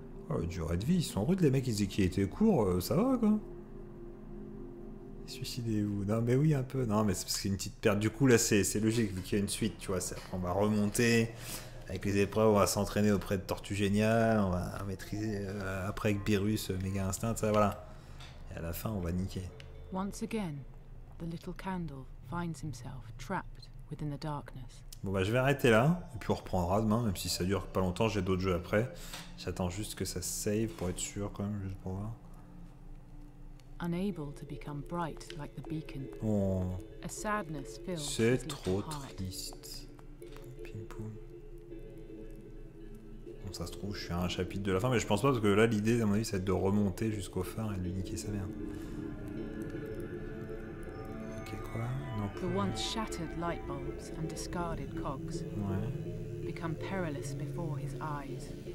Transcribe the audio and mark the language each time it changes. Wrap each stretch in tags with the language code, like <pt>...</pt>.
<fr>Oh, durée de vie, ils sont rudes, les mecs, ils disaient qu'il était court, ça va, quoi. Suicidez-vous. Non, mais oui, un peu. Non, mais c'est parce qu'il y a une petite perte. Du coup, là, c'est logique, vu qu'il y a une suite, tu vois. C'est, après, on va remonter avec les épreuves, on va s'entraîner auprès de Tortue Géniale, on va maîtriser après avec Beerus, Méga Instinct, ça, voilà. Et à la fin, on va niquer.</fr> <en>Once again, the little candle finds himself trapped within the darkness.</en> <fr>Bon, bah, je vais arrêter là, et puis on reprendra demain, même si ça dure pas longtemps, j'ai d'autres jeux après. J'attends juste que ça save pour être sûr, quand même, juste pour voir.</fr> <en>Unable to become bright like the beacon. Oh. A sadness fills his heart.</en> <fr>C'est trop triste. Pim pum. Bon, ça se trouve, je suis à un chapitre de la fin, mais je pense pas parce que là, l'idée, à mon avis, c'est de remonter jusqu'au phare et de lui niquer sa merde. Ok, quoi? Non,</fr> <en>the once shattered light bulbs and discarded cogs become perilous before his eyes.</en>